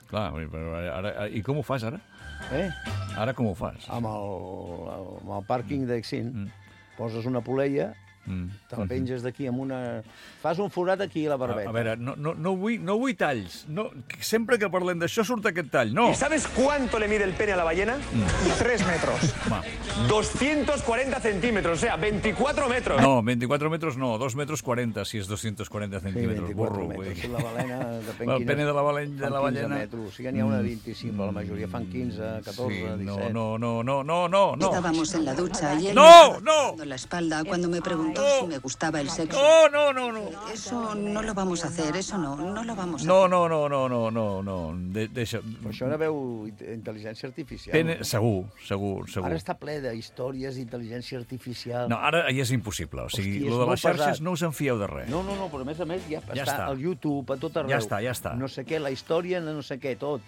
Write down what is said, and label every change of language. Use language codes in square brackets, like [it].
[ca] Clar, ara, i com ho fas, ara? Ara com ho fas? Amb el pàrquing d'Exin. Poses una poleia, te'l penges d'aquí amb una... Fas un forat aquí a la barbeta. A veure, no vull talls. No, sempre que parlem d'això surt aquest tall, no. [es] ¿Y sabes cuánto le mide el pene a la ballena? 3 metros. [ca] Va. [es] 240 centímetros, o sea, 24 metros. No, 24 metros no, 2 metros 40, [ca] si és 240 centímetres. Sí, [es] 24 metros. [ca] La balena, depèn quina... [es] El pene de la ballena... [ca] Fan 15 metros, o sigui, n'hi ha una 25, la majoria fan 15, 14, sí, 17. No. [es] Estábamos en la ducha y él no. La espalda cuando me preguntó si me gustaba el sexo. No. Eso no lo vamos a hacer, eso no, no lo vamos a hacer. [ca] No. Deixa... Però això ara veu intel·ligència artificial. Pene... Segur. Ara està ple de històries d'intel·ligència artificial. No, ara ja és impossible. O sigui, hòstia, lo de les xarxes pesat. No us en fieu de res. No, però a més ja està. El YouTube, a tot arreu. Ja està. No sé què, la història, no sé què, tot.